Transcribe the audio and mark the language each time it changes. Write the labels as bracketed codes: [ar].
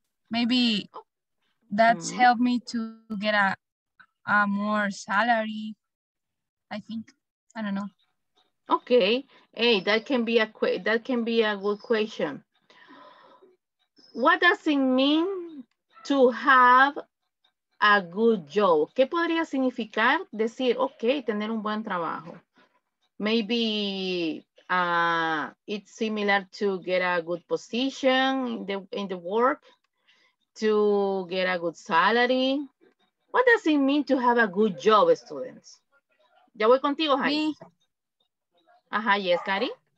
[en] Maybe that's helped me to get a more salary, I think. I don't know. Okay. Hey, that can be a good question. What does it mean to have a good job? [es] ¿Qué podría significar decir, okay, tener un buen trabajo? [en] Maybe it's similar to get a good position in the work, to get a good salary. What does it mean to have a good job, students? [es] Ya voy contigo, Jai. Me. Ajá, yes, Cari.